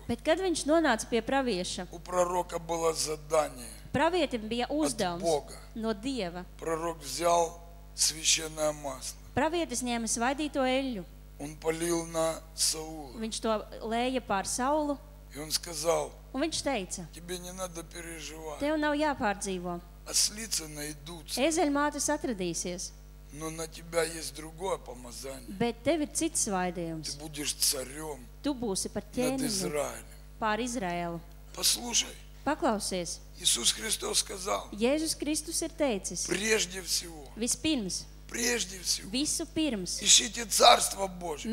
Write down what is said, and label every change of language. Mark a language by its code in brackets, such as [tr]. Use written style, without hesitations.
[lv] Bet kad viņš nonāca pie pravieša? [ru] У пророка было задание. [lv] Pravietim bija uzdevums [ru] Boga. [lv] No Dieva. [ru] Пророк взял священное масло. [lv] Pravietis ņēma svaidīto eļļu. [ru] Un palil na Saulu. [lv] Viņš to lēja pār Saulu. [ru] И он сказал. [lv] Un viņš teica. [ru] Тебе не надо переживать. [lv] Tev nav jāpārdzīvo. [ru] Ослицы найдутся. [lv] Ezeļmātes atradīsies. [ru] Но на тебя есть другое помазание. [lv] Bet tev ir cits svaidījums. [ru] Ты будешь царём. [lv] Tu būsi par ķēniņu. [ru] Над Израилем. [lv] Pār Izraēlu. [ru] Послушай. [lv] Paklausies. [ru] Jēzus Kristus сказал. [lv] Jēzus Kristus ir teicis. [ru] Прежде всего. [lv] Vispirms. [ru] Прежде всего. [lv] Visu pirms. [ru] Ищите царство Божие.